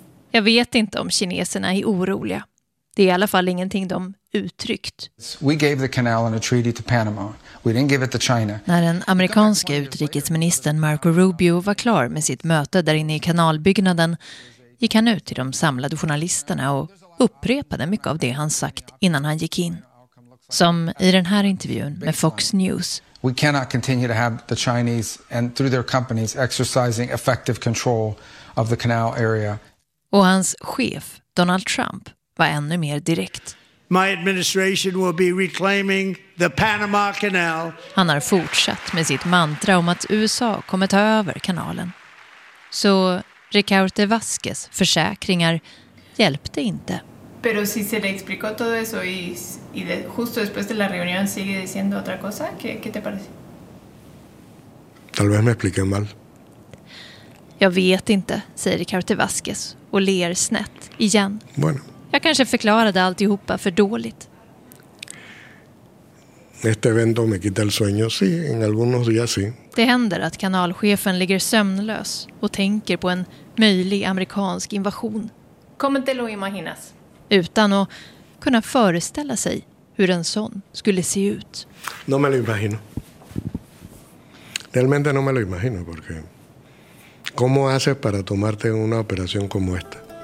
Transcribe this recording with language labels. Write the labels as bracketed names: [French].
[Swedish] Jag vet inte om kineserna är oroliga. Det är i alla fall ingenting de uttryckt. [English] We gave the canal and a treaty to Panama. We didn't give it to China. [Swedish] När den amerikanska utrikesministern Marco Rubio var klar med sitt möte där inne i kanalbyggnaden, gick han ut till de samlade journalisterna och upprepade mycket av det han sagt innan han gick in. Som i den här intervjun med Fox News. [English] We cannot continue to have the Chinese and through their companies exercising effective control of the canal area. [Swedish] Och hans chef, Donald Trump, var ännu mer direkt. [English] My administration will be reclaiming the Panama Canal. [Swedish] Han har fortsatt med sitt mantra om att USA kommer ta över kanalen. Så Ricardo Vázquez försäkringar hjälpte inte. [Spanish] Pero si se le explicó todo eso y de, justo después de la reunión sigue diciendo otra cosa, ¿qué te parece? Tal vez me expliqué mal. [Swedish] Jag vet inte, säger Ricardo Vázquez och ler snett igen. [Spanish] Bueno. [Swedish] Jag kanske förklarade alltihopa för dåligt. [Spanish] Este evento me quita el sueño, sí, en algunos días sí. [Swedish] Det händer att kanalchefen ligger sömnlös och tänker på en möjlig amerikansk invasion. [Spanish] ¿Cómo te lo imaginas? [Swedish] Utan att kunna föreställa sig hur en sån skulle se ut. [Spanish] No me lo imagino. Realmente no me lo imagino porque ¿cómo haces para tomarte una operación como esta?